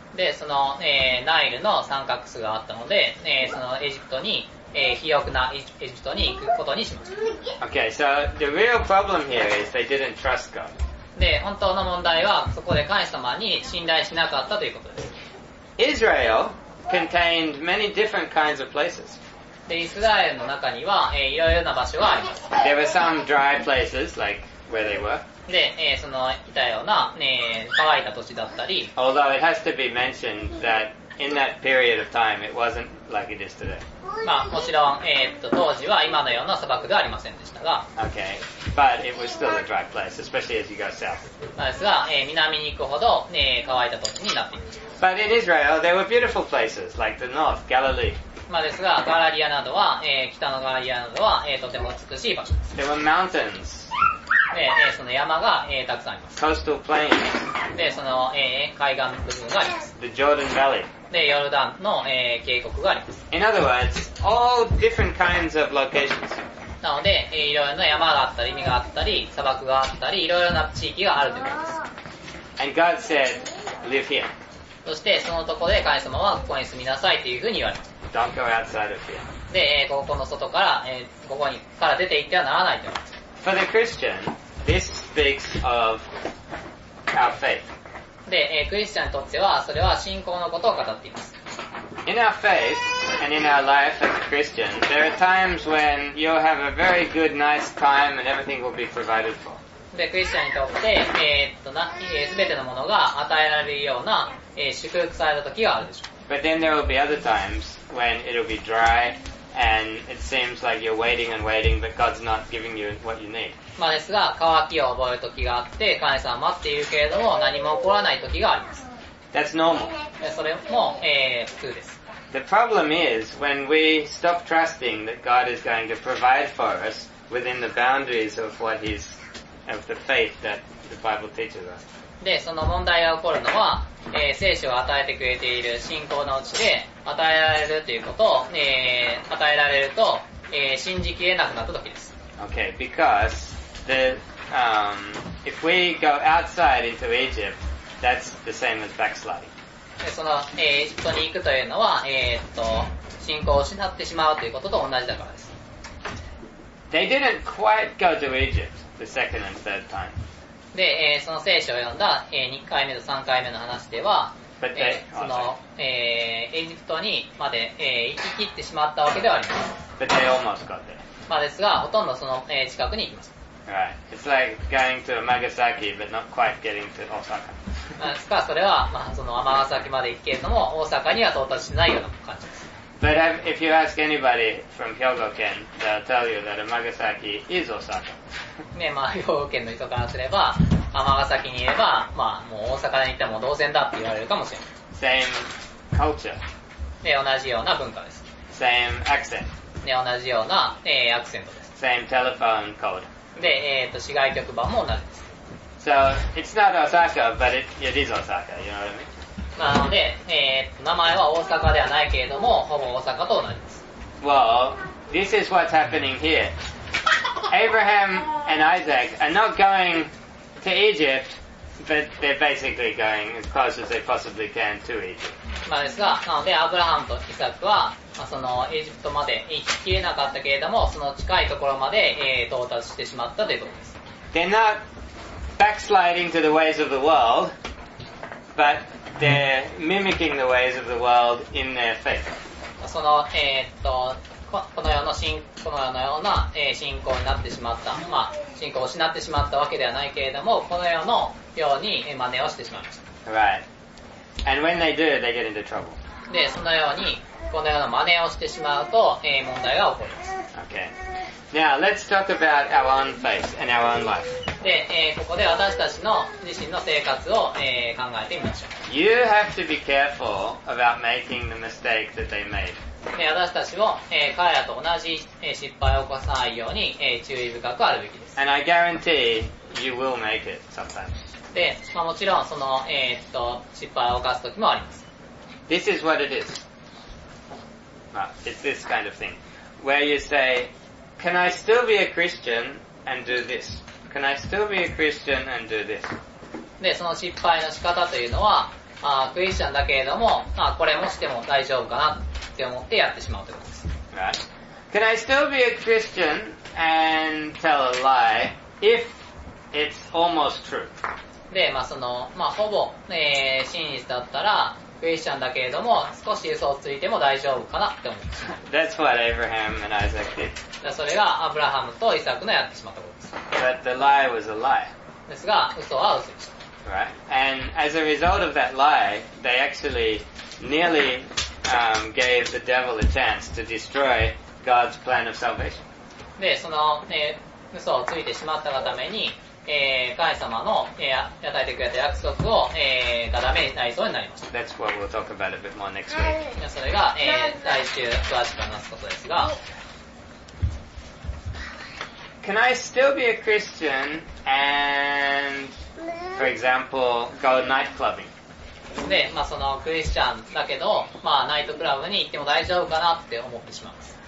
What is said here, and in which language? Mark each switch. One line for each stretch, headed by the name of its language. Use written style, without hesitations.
Japanese: で、その、ナイルの三角州があったので、そのエジプトに、肥沃なエジプトに行くことにしました。
English: Okay, so the real problem here is they didn't trust God.
Japanese: で、本当の問題は、そこで神様に信頼しなかったということです。
English: Israel contained many different kinds of places.
Japanese: で、イスラエルの中には、いろいろな場所があります。
English: There were some dry places, like where they were.
Japanese: で、そのいたような、乾いた土地だったり。
English: Although it has to be mentioned that in that period of time, it wasn't like it is today.
Japanese: まあ、もちろん、当時は今のような砂漠ではありませんでしたが。
English: Okay. But it was still a dry place, especially as you go south.
Japanese: まあですが、南に行くほど、乾いた土地になっています。
English: But in Israel, there were beautiful places, like the north, Galilee.
Japanese: まあですが、ガラリアなどは、北のガラリアなどは、とても美しい場所です。
English: There were mountains.
Japanese: で、その山が、たくさんあります。
English: Coastal plains.
Japanese: で、その、海岸部分があります。
English: The Jordan Valley.
Japanese: で、ヨルダンの、渓谷があります。
English: In other words, all different kinds of locations.
Japanese: なので、いろいろな山があったり、海があったり、砂漠があったり、いろいろな地域があるということです。
English: And God said, live here.
Japanese: そして、そのところで神様は、ここに住みなさいというふうに言われます。
English: Don't go outside of here.
Japanese: で、ここの外から、ここにから出て行ってはならないと思います。
English: For the Christian, this speaks of our faith.
Japanese: で、クリスチャンにとっては、それは信仰のことを語っています。
English: In our faith and in our life as a Christian, there are times when you'll have a very good, nice time and everything will be provided for.
Japanese: で、クリスチャンにとって、全てのものが与えられるような、祝福された時があるでしょう。
English: But then there will be other times when it'll be dry and it seems like you're waiting and waiting but God's not giving you what you need.
Japanese: まあですが、乾きを覚える時があって、神様待っているけれども何も起こらない時があります。
English: That's normal.
Japanese: それも、普通です。
English: The problem is when we stop trusting that God is going to provide for us within the boundaries of what He's, of the faith that the Bible teaches us.
Japanese: で、その問題が起こるのは、聖書を与えてくれている信仰のうちで、与えられるということを、与えられると、信じきれなくなった時です。
English: Okay, because the, if we go outside into Egypt, that's the same as backsliding.
Japanese: で、その、エジプトに行くというのは、信仰を失ってしまうということと同じだからです。
English: They didn't quite go to Egypt the second and third time.
Japanese: で、その聖書を読んだ、2回目と3回目の話では、
English: But they,
Japanese: その、エジプトにまで、行き切ってしまったわけではあります。
English: But they almost got there.
Japanese: まあですが、ほとんどその、近くに行きました。
English: Right. It's like going to Amagasaki but not quite getting to Osaka.
Japanese: ですか、それは、まあ、その天ヶ崎まで行くけれども、大阪には到達しないような感じです。
English: But if you ask anybody from Hyogo-ken, they'll tell you that Amagasaki is Osaka.
Japanese: ね、まあ、Hyogo-ken の人からすれば、天ヶ崎にいれば、まあ、もう大阪に行っても同然だって言われるかもしれない。
English: Same culture.
Japanese: で、同じような文化です。
English: Same accent.
Japanese: で、同じような、アクセントです。
English: Same telephone code.
Japanese: で、市外局番も同じです。
English: So, it's not Osaka, but it is Osaka, you know what I mean?
Japanese: なので、名前は大阪ではないけれども、ほぼ大阪と同じです。
English: Well, this is what's happening here. Abraham and Isaac are not going to Egypt, but they're basically going as close as they possibly can to Egypt.
Japanese: まあですが、なので、アブラハムとイサクは、まあ、そのエジプトまで行ききれなかったけれども、その近いところまで、到達してしまったということです。
English: They're not backsliding to the ways of the world, but They're mimicking the ways of the world in their faith.
Japanese: その、この世の信、このような、信仰になってしまった。まあ、信仰を失ってしまったわけではないけれども、この世のように、真似をしてしまいました。
English: Right. And when they do, they get into trouble.
Japanese: で、そのように、この世の真似をしてしまうと、問題が起こります。
English: Okay. Now, let's talk about our own faith and our own life.
Japanese: で、ここで私たちの自身の生活を、考えてみましょう。
English: You have to be careful about making the mistake that they made.
Japanese: で、私たちも、彼らと同じ、失敗を起こさないように、注意深くあるべきです。
English: And I guarantee you will make it sometimes.
Japanese: で、まあ、もちろんその、失敗を犯す時もあります。
English: This is what it is. Well, it's this kind of thing. Where you say, can I still be a Christian and do this? Can I still be a Christian and do this?
Japanese: で、その失敗の仕方というのは、まあ、クリスチャンだけれども、まあ、これもしても大丈夫かなって思ってやってしまうということです。
English: Right. Can I still be a Christian and tell a lie if it's almost true?
Japanese: で、まあ、その、まあ、ほぼ、真実だったら、クリスチャンだけれども、少し嘘をついても大丈夫かなって思ってしまう。
English: That's what Abraham and Isaac did.
Japanese: で、それがアブラハムとイサクのやってしまったことです。
English: But the lie was a lie.
Japanese: ですが、嘘は嘘でした。
English: Right. And as a result of that lie, they actually nearly, gave the devil a chance to destroy God's plan of salvation.
Japanese: で、その、嘘をついてしまったがために、神様の、与えてくれた約束を、がダメになりそうになりました。
English: That's what we'll talk about a bit more next week.
Japanese: それが、来週詳しく話すことですが、
English: Can I still be a Christian and, for example, go night clubbing?
Japanese: で、まあ、そのクリスチャンだけど、まあ、ナイトクラブに行っても大丈夫かなって思ってしまいます。